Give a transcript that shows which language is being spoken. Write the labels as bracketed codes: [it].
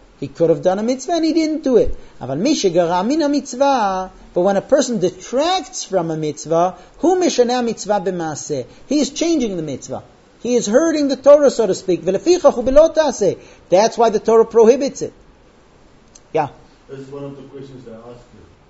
[en] He could have done a mitzvah and he didn't do it. [he] אבל מי שגרע מן המצווה, [en] but when a person detracts from a mitzvah, [he] הוא משנה המצווה במעשה. [en] He is changing the mitzvah. He is hurting the Torah, so to speak. [he] ולפיכך הוא בלא תעשה. [en] That's why the Torah prohibits it. Yeah. This is one of the questions I asked you.